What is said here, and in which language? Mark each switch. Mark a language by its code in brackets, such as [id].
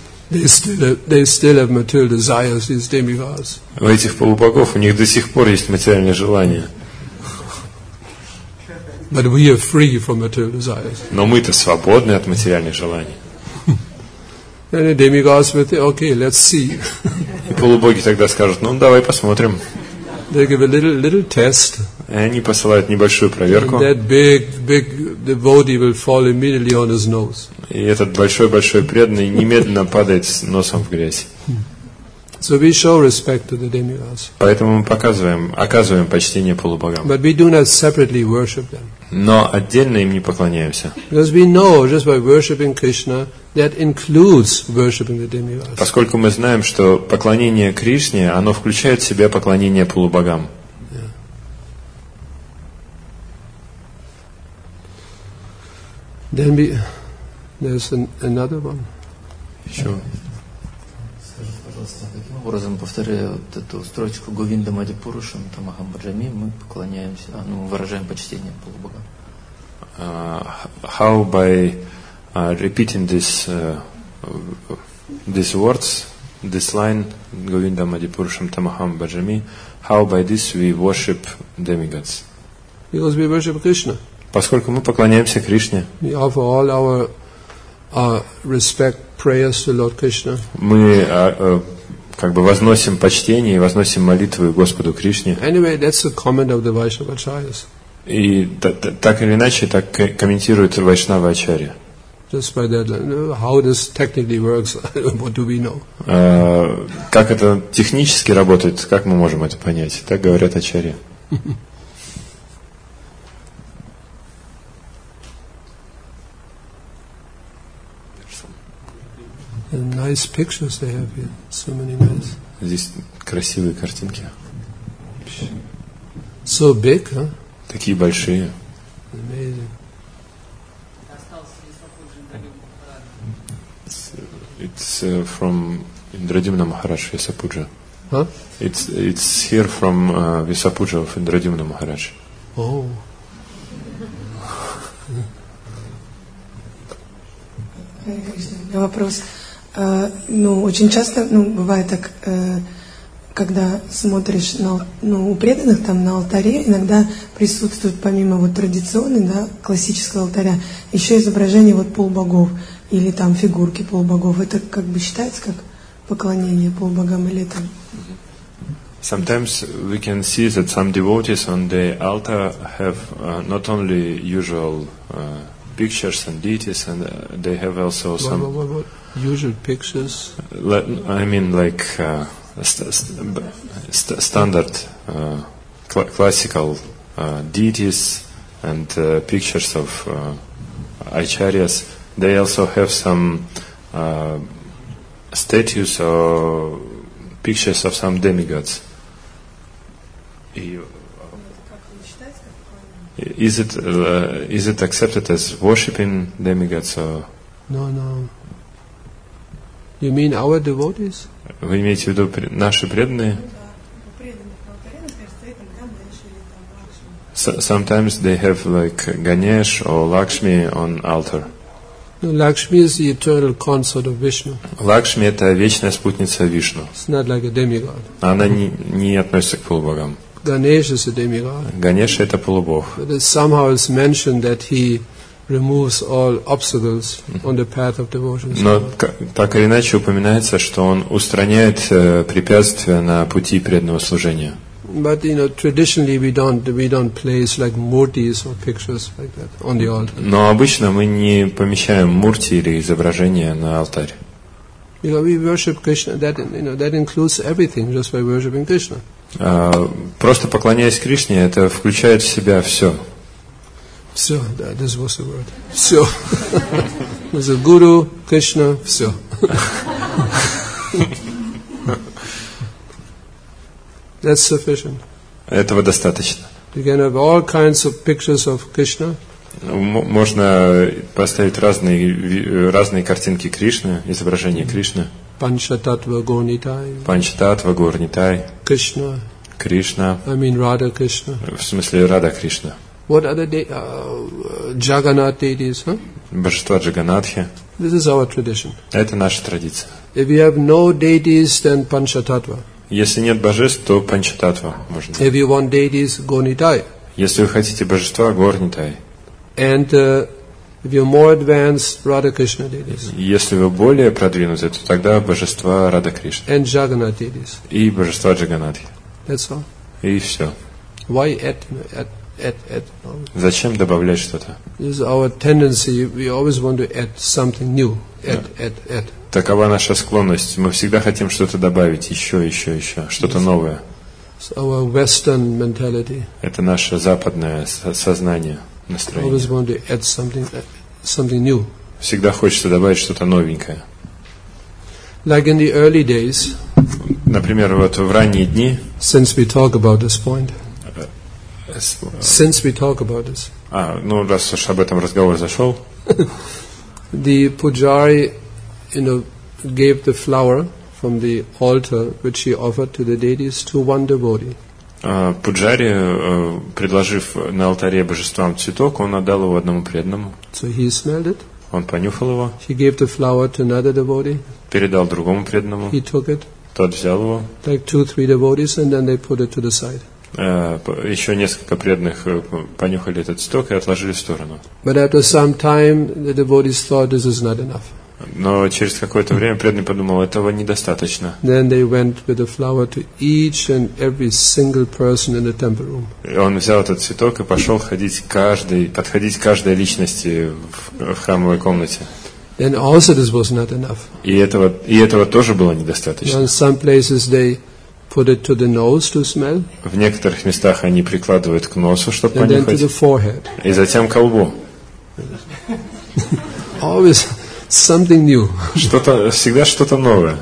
[en] They still have material desires, these demigods. [ru] У этих полубогов, у них до сих пор есть материальные желания. [en] But we are free from material desires. [ru] Но мы-то свободны от материальных желаний. [en] And the demigods will say, okay, let's see. [ru] И полубоги тогда скажут, ну давай посмотрим. [en] They give a little test. [ru] И они посылают небольшую проверку. [en] And that big devotee will fall immediately on his nose. [ru] И этот большой преданный немедленно падает с носом в грязь. [en] So we show respect to the demigods. [ru] Поэтому мы оказываем почтение полубогам. [en] But we do not separately worship them. [ru] Но отдельно им не поклоняемся. [en] Because we know just by worshiping Krishna. That includes worshiping the demigods. [ru] Поскольку мы знаем, что поклонение Кришне, оно включает в себя поклонение полубогам. [en] Yeah. Then we, there's another one. [ru] Еще. Скажите, пожалуйста, каким образом, повторяя вот эту строчку Говинда Мади Пурушам Тамахам Баджами, мы поклоняемся, ну, выражаем почтение полубогам? [en] How by repeating these words, this line, Govinda Madhipurusham Tamaham Bhajami, how by this we worship demigods? Because we worship Krishna. [ru] Поскольку мы поклоняемся Кришне. [en] We offer all our respect prayers to Lord Krishna. [ru] Мы как бы возносим почтение и возносим молитву Господу Кришне. [en] Anyway, that's a comment of the Vaishnava Acharyas. [ru] И так или иначе, так комментирует Вайшнава Ачарья. [en] Just by that, how this technically works, what do we know? [ru] Как это технически работает, как мы можем это понять? Так говорят ачарьи. [en] Nice pictures they have here, so many nice. [ru] Здесь красивые картинки. [en] So big, huh? [ru] Такие большие. [en] Amazing. It's from Indradyumna Maharaj Vyasapuja. Huh? It's here from Vyasapuja of Indradyumna Maharaj. Oh. [ru] Вопрос. Ну, очень часто, ну, бывает так, когда смотришь на, ну, у преданных там на алтаре, иногда присутствуют помимо вот традиционного, да, классического алтаря, еще изображение вот полубогов. Или там фигурки полубогов. Это как бы считается как поклонение полубогам или это? [en] Sometimes we can see that some devotees on the altar have not only usual pictures and deities, and they have also some what? Usual pictures. I mean like standard classical deities and pictures of acharyas. They also have some statues or pictures of some demigods. Is it accepted as worshiping demigods or? No, no. You mean our devotees? [ru] Вы имеете в виду наши преданные? [en] Sometimes they have like Ganesh or Lakshmi on altar. No, Lakshmi is the eternal consort of Vishnu. [ru] Лакшми это вечная спутница Вишну. [en] It's not like a demigod. [ru] Она не относится к полубогам. [en] Ganesh is a demigod. [ru] Ганеш это полубог. [en] But it somehow is mentioned that he removes all obstacles on the path of devotion. [ru] Но так или иначе упоминается, что он устраняет препятствия на пути преданного служения. [en] But you know, traditionally we don't place like murtis or pictures like that on the altar. [ru] Но обычно мы не помещаем мурти или изображения на алтарь. [en] You know, we worship Krishna. That you know, that includes everything just by worshiping Krishna. [ru] Просто поклоняясь Кришне, это включает в себя все. Все, да, [en] this was the word. [ru] Все. [en] As a guru, Krishna, [ru] все. [en] That's sufficient. [ru] Этого достаточно. [en] You can have all kinds of pictures of Krishna. [ru] Можно поставить разные картинки Кришны, изображения Кришны. Панчататва горнитай. Панчататва горнитай. Кришна. Кришна. [en] I mean Radha Krishna. [ru] В смысле Радха Кришна. [en] What other Jagannath deities, huh? [ru] Божества Джаганатхи. [en] This is our tradition. [ru] Это наша традиция. [en] If we have no deities, then Панчататва. [ru] Если нет божеств, то панчататва можно. [en] If you want deities, go nitai. [ru] Если вы хотите божества, гор нитай. [en] And if you're more advanced, Radha Krishna deities. [ru] Если вы более продвинутые, то тогда божества Радха Кришна. [en] And Jagannath deities. [ru] И божества Джаганатхи. [en] That's all. [ru] И все. [en] Why add? [ru] Зачем добавлять что-то? [en] This is our tendency. We always want to add something new. Add. [ru] Такова наша склонность. Мы всегда хотим что-то добавить, еще, что-то новое. [en] Our Western mentality. [ru] Это наше западное сознание, настроение. [en] Always want to add something new. [ru] Всегда хочется добавить что-то новенькое. [en] Like in the early days. [ru] Например, вот в ранние дни. [en] Since we talk about this point. Since we talk about this. [ru] Ну раз уж об этом разговор зашел. [en] The pujari, you know, gave the flower from the altar which he offered to the deities to one devotee. [ru] Пуджари, предложив на алтаре божествам цветок, он отдал его одному преданному. [en] So he smelled it. [ru] Он понюхал его. [en] He gave the flower to another devotee. [ru] Передал другому преданному. [en] He took it. [ru] Тот взял его. [en] Like 2-3 devotees, and then they put it to the side. [ru] Еще несколько преданных понюхали этот цветок и отложили в сторону. [en] But after some time, the devotees thought this is not enough. [ru] Но через какое-то время преданный подумал, этого недостаточно. [en] Then they went with the flower to each and every single person in the temple room. [ru] И он взял этот цветок и пошел подходить к каждой личности в храмовой комнате. [en] Then also this was not enough. [ru] И этого тоже было недостаточно. [en] In some places they put it to the nose to smell. [ru] В некоторых местах они прикладывают к носу, чтобы понюхать. [en] And then to the forehead. [ru] И затем к лбу. [en] Always. Something new. [ru] Что-то всегда что-то новое.